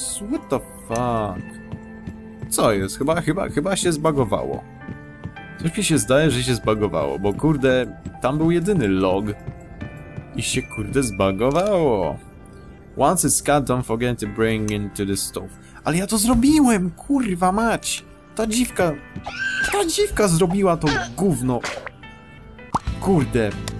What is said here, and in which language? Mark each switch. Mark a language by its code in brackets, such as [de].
[en] What the fuck? [pl] Co jest? Chyba się zbugowało. Coś mi się zdaje, że się zbugowało, bo kurde, tam był jedyny log. I się kurde zbugowało. [en] Once it's cut, don't forget to bring it to the stove. [pl] Ale ja to zrobiłem, kurwa mać! Ta dziwka zrobiła to gówno! Kurde!